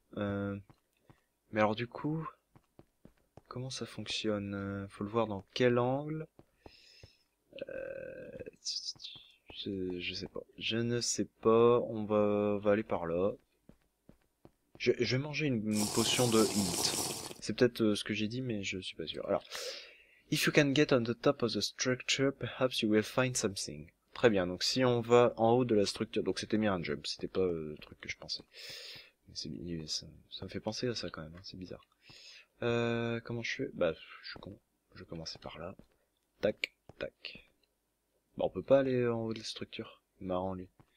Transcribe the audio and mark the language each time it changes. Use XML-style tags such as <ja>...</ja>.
<fr>Mais alors du coup, comment ça fonctionne? Faut le voir dans quel angle. Je sais pas. Je ne sais pas. On va aller par là. Je vais manger une potion de hint. C'est peut-être ce que j'ai dit, mais je suis pas sûr.</fr> <en>Alors, if you can get on the top of the structure, perhaps you will find something.</en> <fr>Très bien. Donc si on va en haut de la structure, donc c'était bien un jump, c'était pas le truc que je pensais. Mais c'est, ça me fait penser à ça quand même. Hein, c'est bizarre. Comment je fais? Bah, je suis con. Je vais commencer par là. Tac, tac. Bon, on peut pas aller en haut de la structure. Marrant lui.</fr>